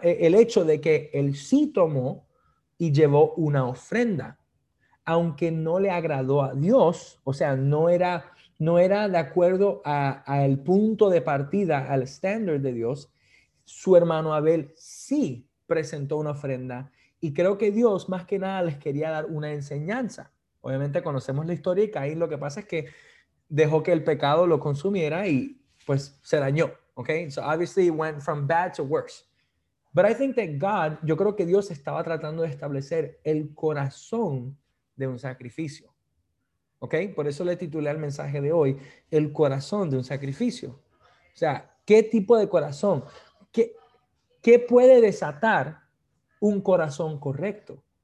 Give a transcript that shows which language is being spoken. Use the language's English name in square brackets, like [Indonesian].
[Spanish] El hecho de que él sí tomó y llevó una ofrenda, aunque no le agradó a Dios, o sea, no era de acuerdo al punto de partida, al standard de Dios, su hermano Abel sí presentó una ofrenda y creo que Dios más que nada les quería dar una enseñanza. Obviamente conocemos la historia y Caín lo que pasa es que dejó que el pecado lo consumiera y pues se dañó. [English] Okay, so obviously it went from bad to worse. But I think that God, [Spanish] yo creo que Dios estaba tratando de establecer el corazón de un sacrificio. Okay, por eso le titulé al mensaje de hoy, el corazón de un sacrificio. O sea, ¿qué tipo de corazón? ¿Qué puede desatar un corazón correcto?